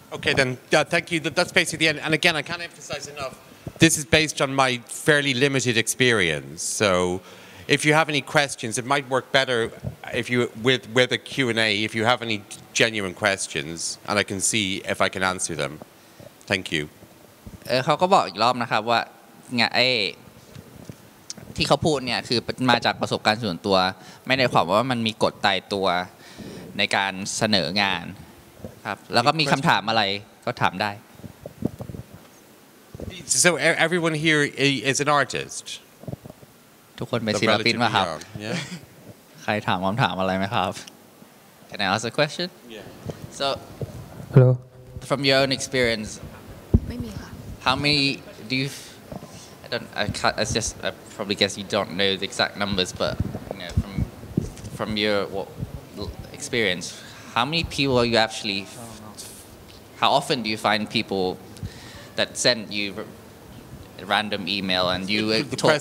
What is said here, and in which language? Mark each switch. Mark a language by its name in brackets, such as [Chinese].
[English] Okay then thank you that's basically the end and again I can't emphasize enough this is based on my fairly limited experience so if you have any questions it might work better if you with a Q&A if you have any genuine questions and I can see if I can answer them thank you [Thai] เขาก็บอกอีกรอบนะครับว่างานไอ้ที่เขาพูดเนี่ยคือมาจากประสบการณ์ส่วนตัวไม่ได้ความว่ามันมีกฎตายตัวในการเสนองานครับแล้วก็มีคำถามอะไรก็ถามได้ [English] So everyone here is an artist [Thai] ทุกคนเป็นศิลปินมาครับ [English] yeah. [Thai] ใครถามคำถามอะไรไหมครับ [English] Can I ask a question Yeah So Hello From your own experience [Thai] ไม่มีค่ะ [English] How many do you I probably guess you don't know the exact numbers but you know from your whatexperience how many people are you actually how often do you find people that send you a random email and you talk